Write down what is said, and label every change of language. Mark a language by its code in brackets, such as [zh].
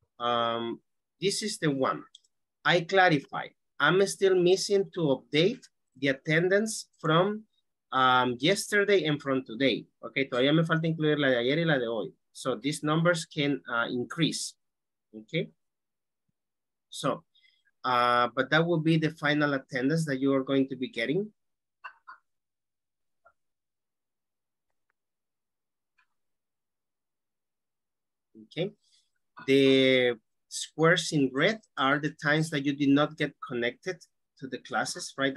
[en] Okay. This is the one. I clarify, I'm still missing to update the attendance from yesterday and from today. [es] Okay, todavía me falta incluir la de ayer y la de hoy. [en] So these numbers can increase, okay? So, but that will be the final attendance that you are going to be getting. Okay, the squares in red are the times that you did not get connected to the classes, right?